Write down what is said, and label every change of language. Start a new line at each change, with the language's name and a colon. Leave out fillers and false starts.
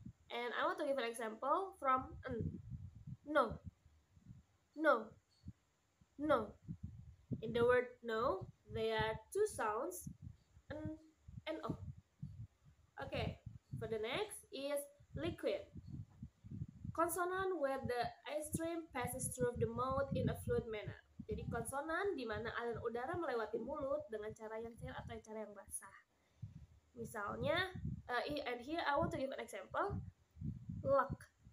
English: And I want to give an example from n. No. No. No. In the word no, there are two sounds, n and o. Okay, for the next is liquid. Konsonan where the air stream passes through the mouth in a fluid manner.
Indonesian: Jadi konsonan di mana aliran udara melewati mulut dengan cara yang cair atau cara yang basah.
English: Misalnya, and here I want to give an example. Luck.